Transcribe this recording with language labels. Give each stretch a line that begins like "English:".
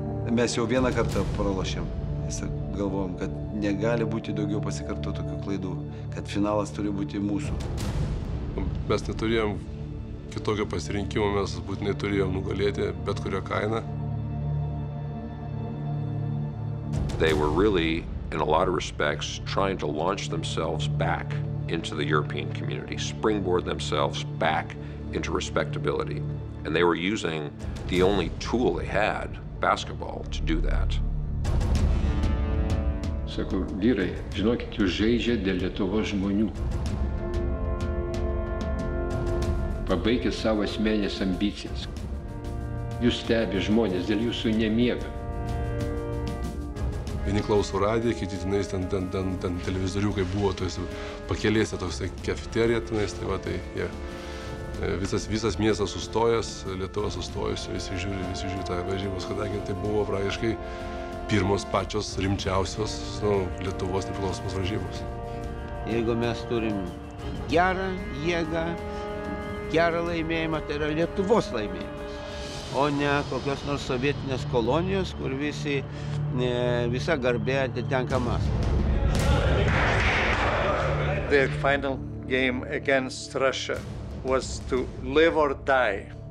Lithuanian: Mes jau vieną kartą pralošėm mes galvojom, kad negali būti daugiau pasikartų tokių klaidų, kad finalas turi būti mūsų. Mes neturėjom kitokio pasirinkimo, mes būtinai turėjom nugalėti bet kurią kainą.
English: They were really, in a lot of respects, trying to launch themselves back into the European community, springboard themselves back into respectability. And they were using the only tool they had, basketball, to do that.
Lithuanian: Sako, vyrai, žinokit, jūs žaidžiat dėl Lietuvos žmonių. Pabaikit savo asmenės ambicijas. Jūs stebi žmonės, dėl jūsų nemiega. Vieni klauso radiją, kiti tenais ten televizoriukai buvo, tuos pakelėse toks kefiterija tenais, tai va, tai jie. Visas miestas sustojas, Lietuva sustojusi, visi žiūri tą varžybos, kadangi tai buvo praktiškai pirmos pačios rimčiausios Lietuvos nepriklausomos varžybos. Jeigu mes turim gerą jėgą, gerą laimėjimą, tai yra Lietuvos laimėjimas, o ne kokios nors sovietinės kolonijos, kur visi, visa garbė atitenka Maskvai.
English: The final game against Russia was to live or die.